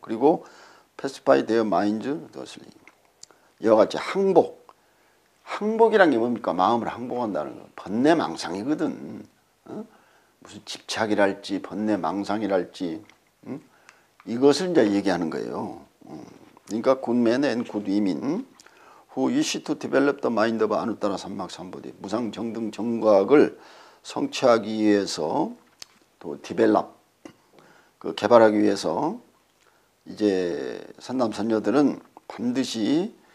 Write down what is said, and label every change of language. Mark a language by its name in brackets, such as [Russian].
[Korean] 그리고 [English] pacify their minds, [Korean] 이와 같이 항복, 항복이란 게 뭡니까? 마음을 항복한다는 거. 번뇌망상이거든. 무슨 집착이랄지 번뇌망상이랄지 이것을 이제 얘기하는 거예요. [English] 그러니까 good men and good women. Who wish to develop the mind of 아누따라 [Korean] 삼맥 삼보디 무상 정등 정각을 성취하기 위해서 또 develop 그 개발하기 위해서 이제 선남 선녀들은 반드시